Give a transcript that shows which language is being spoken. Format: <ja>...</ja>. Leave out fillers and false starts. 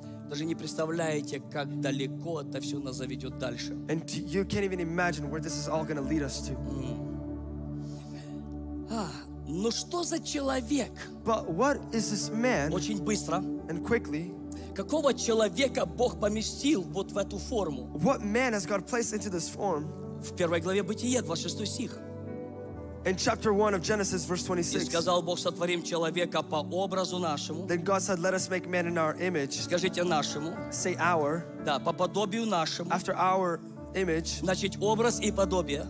<ru>Даже не представляете, как далеко это все нас заведет дальше.</ru> <en>And you can't even imagine where this is all going to lead us to.</en> <ru>Ну что за человек?</ru> <en>But what is this man?</en> <ru>Очень быстро.</ru> <en>And quickly.</en> <ru>Какого человека Бог поместил вот в эту форму?</ru> <en>What man has God placed into this form?</en> <ru>В первой главе Бытия, 26 стих.</ru> <en>In chapter 1 of Genesis, verse 26.</en> <ru>И сказал Бог, сотворим человека по образу нашему.</ru> <en>Then God said, let us make man in our image.</en> <ru>Скажите нашему.</ru> <en>Say our.</en> <ru>Да, по подобию нашему.</ru> <en>After our image.</en> <ru>Значит, образ и подобие.</ru>